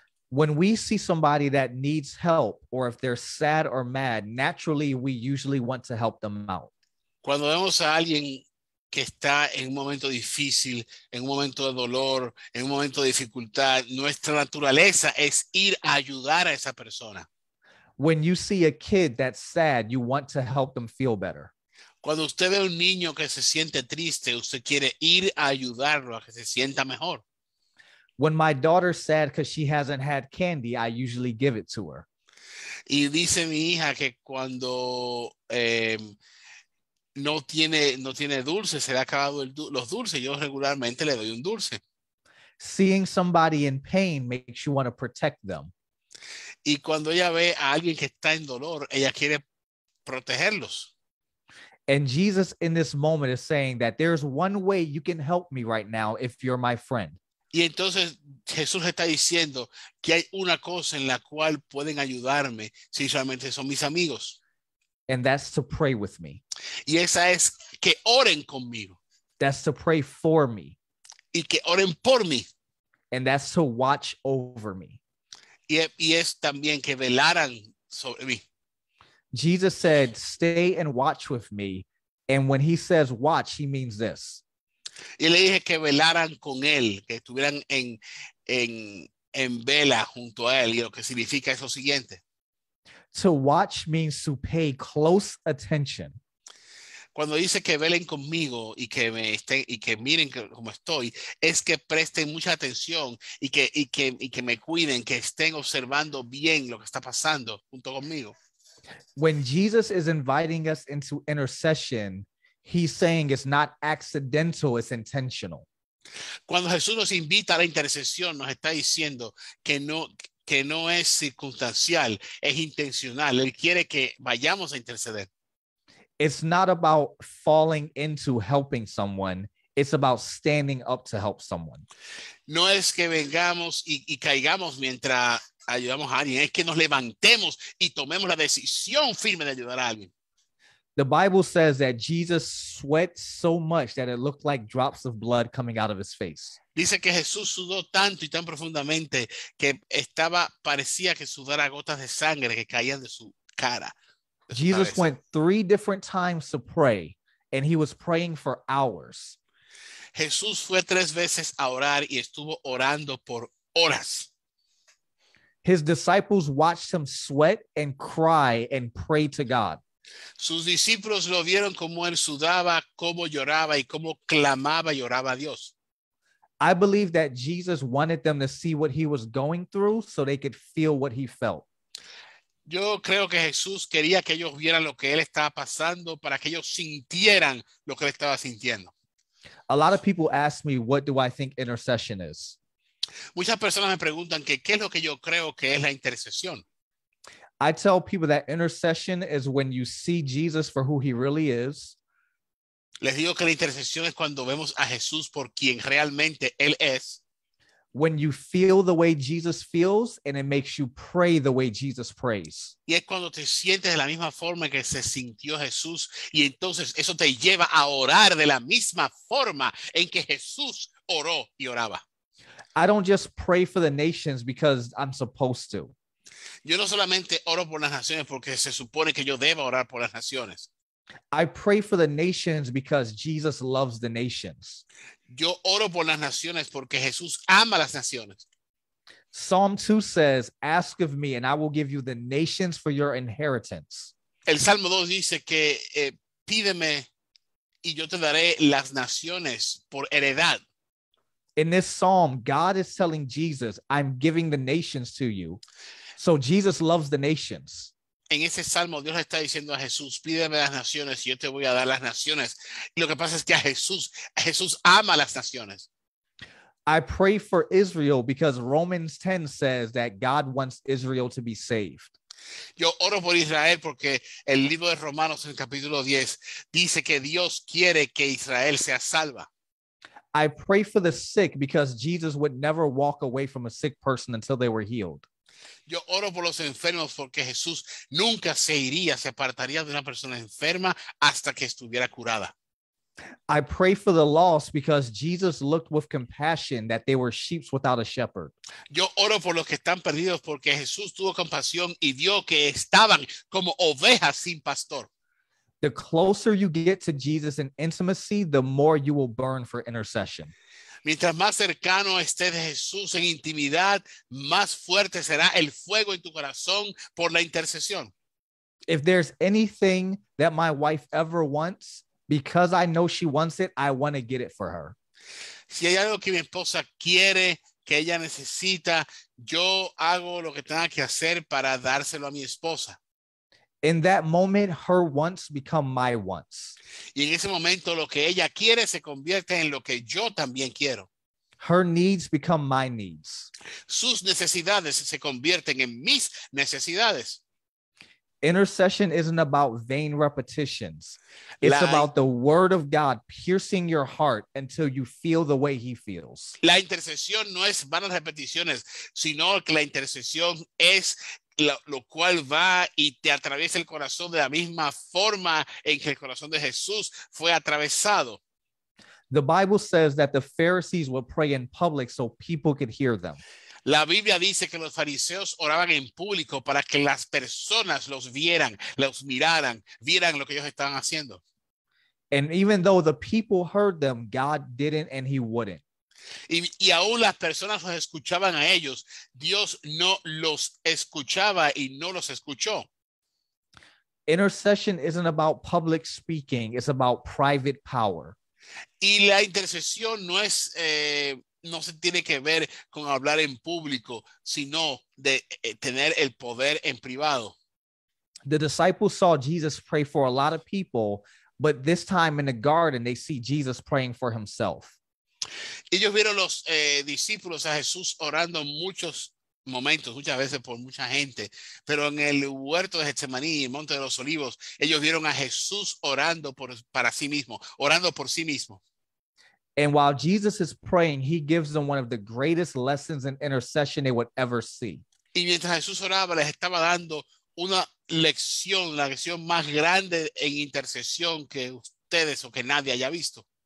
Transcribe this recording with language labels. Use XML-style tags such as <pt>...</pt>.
<en>When we see somebody that needs help, or if they're sad or mad, naturally we usually want to help them out.</en> <es>Cuando vemos a alguien que está en un momento difícil, en un momento de dolor, en un momento de dificultad, nuestra naturaleza es ir a ayudar a esa persona.</es> <en>When you see a kid that's sad, you want to help them feel better.</en> <es>Cuando usted ve a un niño que se siente triste, usted quiere ir a ayudarlo a que se sienta mejor.</es> <en>When my daughter's sad because she hasn't had candy, I usually give it to her.</en> <es>Y dice mi hija que cuando no tiene dulce, se le ha acabado los dulces, yo regularmente le doy un dulce.</es> <en>Seeing somebody in pain makes you want to protect them.</en> <es>Y cuando ella ve a alguien que está en dolor, ella quiere protegerlos.</es> <en>And Jesus in this moment is saying that there's one way you can help me right now if you're my friend.</en> <es>Y entonces Jesús está diciendo que hay una cosa en la cual pueden ayudarme si realmente son mis amigos.</es> <en>And that's to pray with me.</en> <es>Y esa es que oren conmigo.</es> <en>That's to pray for me.</en> <es>Y que oren por mí.</es> <en>And that's to watch over me.</en> <es>Y es también que velaran sobre mí.</es> <en>Jesus said, "Stay and watch with me." And when he says watch, he means this.</en> <es>Y le dije que velaran con él, que estuvieran en vela junto a él. Y lo que significa es lo siguiente.</es> <en>To watch means to pay close attention.</en> <es>Cuando dice que velen conmigo y que me estén y que miren cómo estoy, es que presten mucha atención y que me cuiden, que estén observando bien lo que está pasando junto conmigo.</es> <en>When Jesus is inviting us into intercession, he's saying it's not accidental, it's intentional.</en> <es>Cuando Jesús nos invita a la intercesión, nos está diciendo que no es circunstancial, es intencional. Él quiere que vayamos a interceder.</es> <en>It's not about falling into helping someone. It's about standing up to help someone.</en> <es>No es que vengamos y caigamos mientras ayudamos a alguien. Es que nos levantemos y tomemos la decisión firme de ayudar a alguien.</es> <en>The Bible says that Jesus sweat so much that it looked like drops of blood coming out of his face.</en> <es>Dice que Jesús sudó tanto y tan profundamente que parecía que sudara gotas de sangre que caían de su cara.</es> <en>Jesus went 3 different times to pray, and he was praying for hours.</en> <es>Jesús fue 3 veces a orar y estuvo orando por horas.</es> <en>His disciples watched him sweat and cry and pray to God.</en> <es>Sus discípulos lo vieron como él sudaba, como lloraba y como clamaba y oraba a Dios.</es> <en>I believe that Jesus wanted them to see what he was going through so they could feel what he felt.</en> <es>Yo creo que Jesús quería que ellos vieran lo que él estaba pasando para que ellos sintieran lo que él estaba sintiendo.</es> <en>A lot of people ask me, what do I think intercession is?</en> <es>Muchas personas me preguntan que qué es lo que yo creo que es la intercesión.</es> <en>I tell people that intercession is when you see Jesus for who he really is.</en> <es>Les digo que la intercesión es cuando vemos a Jesús por quien realmente él es.</es> <en>When you feel the way Jesus feels and it makes you pray the way Jesus prays.</en> <es>Y es cuando te sientes de la misma forma que se sintió Jesús y entonces eso te lleva a orar de la misma forma en que Jesús oró y oraba.</es> <en>I don't just pray for the nations because I'm supposed to.</en> <es>Yo no solamente oro por las naciones porque se supone que yo deba orar por las naciones.</es> <en>I pray for the nations because Jesus loves the nations.</en> <es>Yo oro por las naciones porque Jesús ama las naciones.</es> <en>Psalm 2 says, ask of me and I will give you the nations for your inheritance.</en> <es>El Salmo 2 dice que pídeme y yo te daré las naciones por heredad.</es> <en>In this psalm, God is telling Jesus, I'm giving the nations to you. So Jesus loves the nations.</en> <es>En ese salmo, Dios está diciendo a Jesús, pídeme las naciones y yo te voy a dar las naciones. Y lo que pasa es que a Jesús ama las naciones.</es> <en>I pray for Israel because Romans 10 says that God wants Israel to be saved.</en> <es>Yo oro por Israel porque el libro de Romanos en el capítulo 10 dice que Dios quiere que Israel sea salva.</es> <en>I pray for the sick because Jesus would never walk away from a sick person until they were healed.</en> <es>Yo oro por los enfermos porque Jesús nunca se iría, se apartaría de una persona enferma hasta que estuviera curada.</es> <en>I pray for the lost because Jesus looked with compassion that they were sheep without a shepherd.</en> <es>Yo oro por los que están perdidos porque Jesús tuvo compasión y vio que estaban como ovejas sin pastor.</es> <en>The closer you get to Jesus in intimacy, the more you will burn for intercession.</en> <es>Mientras más cercano estés de Jesús en intimidad, más fuerte será el fuego en tu corazón por la intercesión.</es> <en>If there's anything that my wife ever wants, because I know she wants it, I want to get it for her.</en> <es>Si hay algo que mi esposa quiere, que ella necesita, yo hago lo que tenga que hacer para dárselo a mi esposa.</es> <en>In that moment, her wants become my wants.</en> <es>Y en ese momento, lo que ella quiere se convierte en lo que yo también quiero.</es> <en>Her needs become my needs.</en> <es>Sus necesidades se convierten en mis necesidades.</es> <en>Intercession isn't about vain repetitions. It's about the word of God piercing your heart until you feel the way he feels.</en> <es>La intercesión no es vanas repeticiones, sino que la intercesión es lo cual va y te atraviesa el corazón de la misma forma en que el corazón de Jesús fue atravesado.</es> <en>The Bible says that the Pharisees would pray in public so people could hear them.</en> <es>La Biblia dice que los fariseos oraban en público para que las personas los vieran, los miraran, vieran lo que ellos estaban haciendo.</es> <en>And even though the people heard them, God didn't and he wouldn't.</en> <es>Y aún las personas los escuchaban a ellos. Dios no los escuchaba y no los escuchó.</es> <en>Intercession isn't about public speaking. It's about private power.</en> <es>Y la intercesión no es, no se tiene que ver con hablar en público, sino de tener el poder en privado.</es> <en>The disciples saw Jesus pray for a lot of people, but this time in the garden, they see Jesus praying for himself.</en> <es>Ellos vieron los discípulos a Jesús orando muchos momentos, muchas veces por mucha gente, pero en el huerto de Getsemaní, en el Monte de los Olivos, ellos vieron a Jesús orando por para sí mismo, orando por sí mismo.</es> <en>And while Jesus is praying, he gives them one of the greatest lessons in intercession they would ever see.</en> <es>Y mientras Jesús oraba, les estaba dando una lección, la lección más grande en intercesión que ustedes o que nadie haya visto.</es>